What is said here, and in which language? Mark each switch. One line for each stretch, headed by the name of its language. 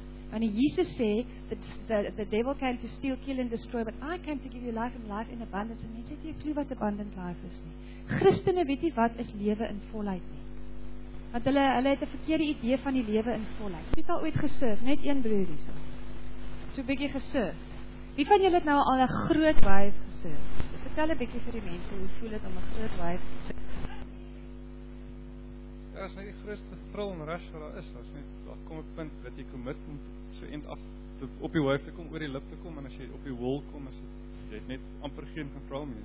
Afrikaans: Want Jesus sê
English: that the devil came to steal, kill and destroy, but I came to give you life and life in abundance.
Afrikaans: En jy het nie 'n klou wat abundant life is nie. Christene weet nie wat is lewe in volheid nie. Want hulle het 'n verkeerde idee van die lewe in volheid. Jy het al ooit gesurf, net een broer hierso. So 'n bietjie gesurf. Wie van julle het nou al 'n groot wave gesurf? Vertel 'n bietjie vir die mense, hoe voel dit om 'n groot wave te surf? Ja, as nie die grootste thrill en rush wat daar is, as nie, daar kom 'n punt wat jy commit om so end af op die wave te kom, oor die lip te kom, en as jy op die wall kom, is jy net amper geen kontrol meer.